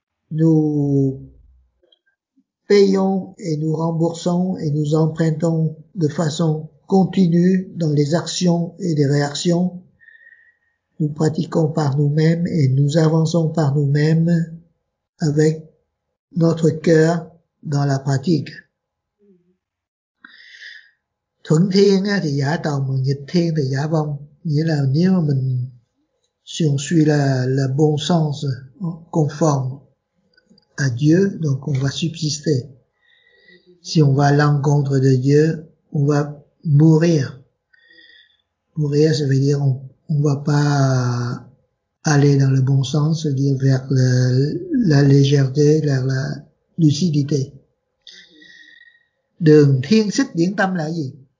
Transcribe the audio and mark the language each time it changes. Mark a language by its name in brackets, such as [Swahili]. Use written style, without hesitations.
[French] Nous payons et nous remboursons et nous empruntons de façon continue dans les actions et les réactions. Nous pratiquons par nous-mêmes et nous avançons par nous-mêmes avec notre cœur dans la pratique. [Vietnamese] Thuận thiên thì giả tạo, mà nghịch thiên thì giả vong. Nghĩa là nếu mà mình, [French] si on suit la bon sens, conforme à Dieu, donc on va subsister. Si on va à l'encontre de Dieu, on va mourir. Mourir, ça veut dire on va pas aller dans le bon sens, c'est-à-dire vers la légèreté, vers la lucidité. [Vietnamese] Đường thiên xích điển tâm là gì?